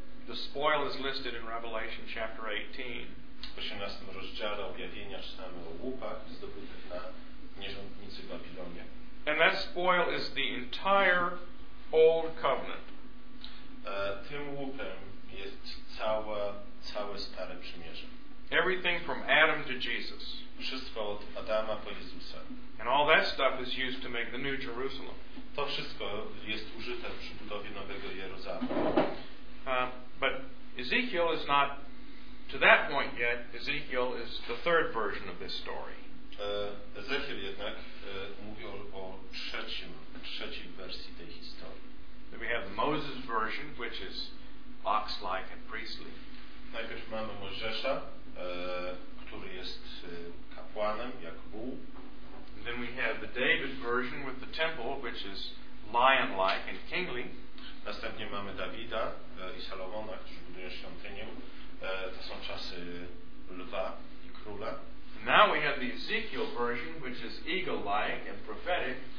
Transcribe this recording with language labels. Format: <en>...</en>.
<en>the spoil is listed in Revelation chapter 18.</en> <pl>W 18 rozdziale Objawienia czytamy o łupach zdobytych na nierządnicy Babilonie.</pl> <en>And that spoil is the entire old covenant.</en> <pl>Tym łupem jest całe stare przymierze.</pl> <en>Everything from Adam to Jesus.</en> <pl>Wszystko od Adama po Jezusa.</pl> <en>And all that stuff is used to make the New Jerusalem.</en> <pl>To wszystko jest użyte przy budowie nowego Jerozolimy.</pl> <en>But Ezekiel is not to that point yet. Ezekiel is the third version of this story.</en> <pl>Ezekiel jednak mówi o trzeciej wersji tej historii.</pl> <en>We have Moses' version, which is ox-like and priestly.</en> <pl>Najpierw mamy Mojżesza, który jest kapłanem, jak bół.</pl> <en>Then we have the David version with the temple, which is lion-like and kingly.</en> <pl>Następnie mamy Dawida i Salomona, którzy budują świątynię. To są czasy lwa i króla.</pl> <en>Now we have the Ezekiel version, which is eagle-like and prophetic.</en>